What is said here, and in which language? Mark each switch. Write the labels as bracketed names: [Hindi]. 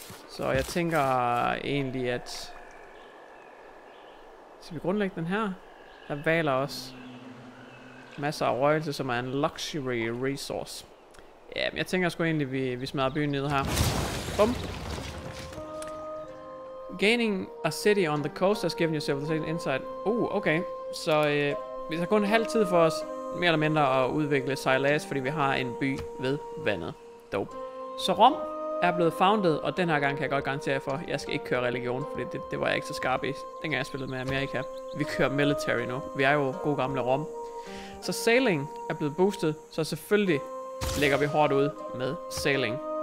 [Danish] Så jeg tænker egentlig, at... Skal vi grundlægge den her? Der valer også. Masser af røgelse, som er en luxury resource. Ja, men jeg tænker sgu egentlig, vi smadrer byen ned her. Bum. [English] Gaining a city on the coast has given you civilization insight. [Danish] Okay. Så vi har kun halv tid for os, mere eller mindre, at udvikle sejlads, fordi vi har en by ved vandet. Dope. Så Rom er blevet founded, og den her gang kan jeg godt garantere for, jeg skal ikke køre religion, fordi det var jeg ikke så skarp i, dengang jeg spillede med Amerika. Vi kører military nu. Vi er jo gode gamle Rom. Så sailing er blevet boostet, så selvfølgelig lægger vi hårdt ud med sailing.